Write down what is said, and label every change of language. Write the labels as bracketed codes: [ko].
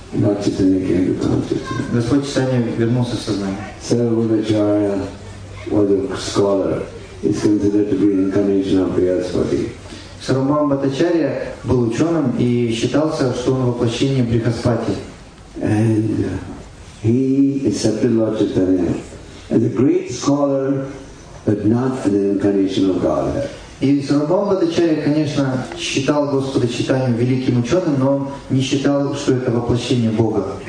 [en] Lord Chaitanya came to consciousness. [ru] Господь Чайтанья вернулся в сознание. [en] Сарвабхаумачарья was a scholar. He's considered to be an incarnation of Brihaspati. [ru] Сарвабхаума Бхаттачарья был ученым и считался, что он воплощение Брихаспати. [en] And he accepted Lord Chaitanya as a great scholar, but not an incarnation of Godhead. [ru] И Сарвабхаума Бхаттачарья, конечно, считал Господа Чайтанью великим ученым, но он не считал, что это воплощение Бога.